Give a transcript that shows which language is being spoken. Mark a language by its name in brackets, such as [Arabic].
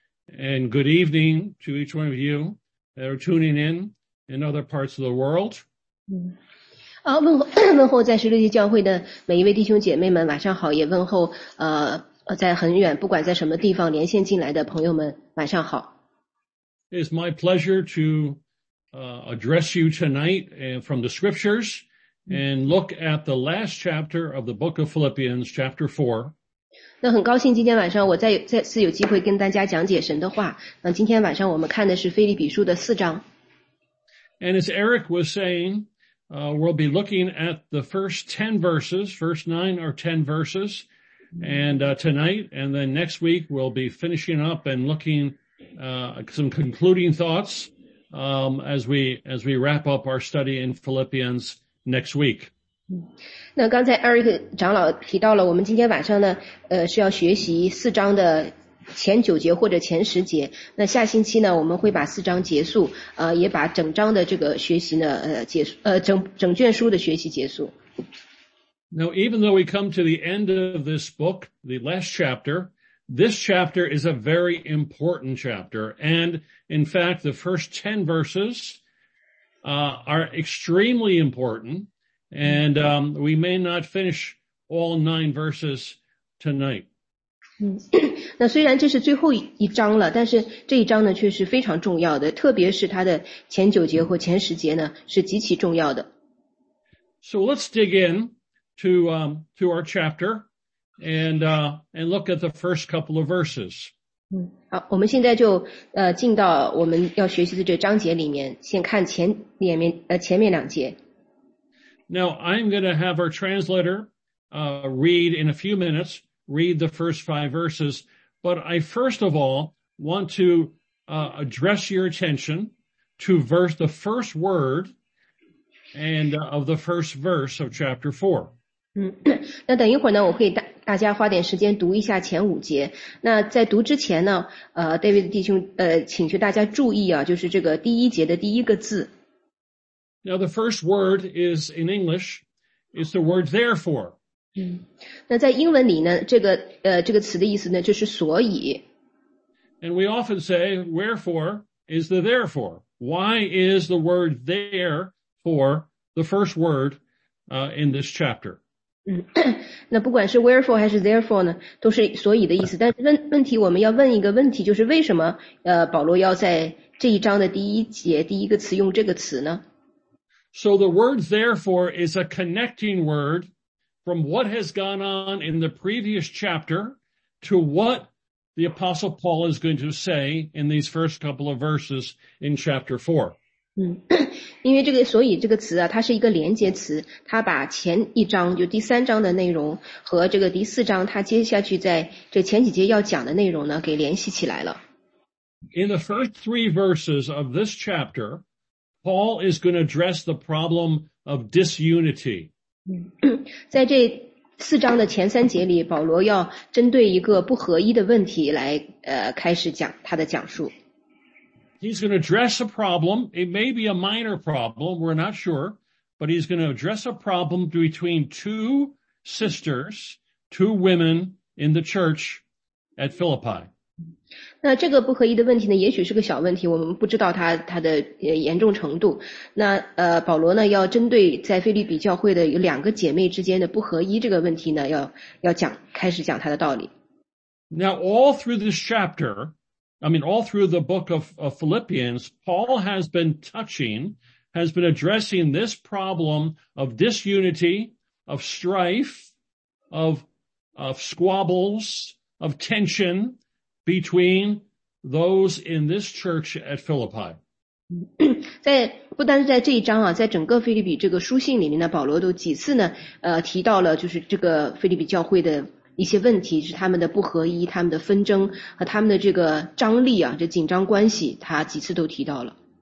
[English] And good evening to each one of you that are tuning in other parts of the world. [Chinese] 好，问候在十六届教会的每一位弟兄姐妹们，晚上好，也问候在很远不管在什么地方连线进来的朋友们，晚上好。 [English] It's my pleasure to address you tonight and from the scriptures and look at the last chapter of the book of Philippians, chapter 4. [Chinese] 那很高兴今天晚上我再次有机会跟大家讲解神的话。那今天晚上我们看的是腓立比书的四章。 [English] And as Eric was saying,we'll be looking at the first 10 verses, first 9 or 10 verses, and tonight, and then next week we'll be finishing up and looking some concluding thoughts as we wrap up our study in Philippians next week. [Chinese] 那刚才 Eric 长老提到了我们今天晚上呢是要学习四章的前九节或者前十节，那下星期呢我们会把四章结束，也把整章的这个学习呢结束，整卷书的学习结束。 [English] Now even though we come to the end of this book, the last chapter, this chapter is a very important chapter, and in fact the first 10 verses are extremely important, and we may not finish all 9 verses tonight. [Chinese] 那虽然这是最后一章了，但是这一章呢却是非常重要的，特别是它的前九节或前十节呢是极其重要的。 [English] So let's dig in to our chapter and look at the first couple of verses. [Chinese] 好，我们现在就进到我们要学习的这章节里面，先看前面两节。 [English] Now I'm going to have our translator read in a few minutes. Read the first 5 verses, but I first of all want to address your attention to verse, the first word and of the first verse of chapter 4. [Chinese] 那等一会儿呢，我会大家花点时间读一下前五节。那在读之前呢，David 弟兄，请求大家注意啊，就是这个第一节的第一个字。 [English] Now the first word is in English, is the word therefore. [Chinese] 那在英文里呢，这个词的意思呢，就是所以。 [English] And we often say, wherefore is the therefore. Why is the word therefore the first word, in this chapter? [Chinese] 那不管是 wherefore 还是 therefore 呢，都是所以的意思。但是问题，我们要问一个问题，就是为什么保罗要在这一章的第一节第一个词用这个词呢？ [English] So the word therefore is a connecting word from what has gone on in the previous chapter to what the Apostle Paul is going to say in these first couple of verses in chapter 4. [Chinese] 因为这个所以这个词啊，它是一个连接词，它把前一章就第三章的内容和这个第四章它接下去在这前几节要讲的内容呢给联系起来了。 [English] In the first three verses of this chapter, Paul is going to address the problem of disunity. [Chinese] 在这四章的前三节里，保罗要针对一个不合一的问题来开始讲他的讲述。 [English] He's going to address a problem. It may be a minor problem. We're not sure. But he's going to address a problem between two sisters, two women in the church at Philippi. [Chinese] 那这个不合一的问题呢，也许是个小问题，我们不知道它的严重程度。那保罗呢，要针对在腓立比教会的有两个姐妹之间的不合一这个问题呢，要讲，开始讲他的道理。 [English] Now, all through this chapter,all through the book of Philippians, Paul has been addressing this problem of disunity, of strife, of squabbles, of tension between those in this church at Philippi. [Chinese] 在不单是在这一章啊，在整个腓立比这个书信里面呢，保罗都几次呢，提到了就是这个腓立比教会的一些问题，是他们的不合一，他们的纷争和他们的这个张力啊，这紧张关系，他几次都提到了。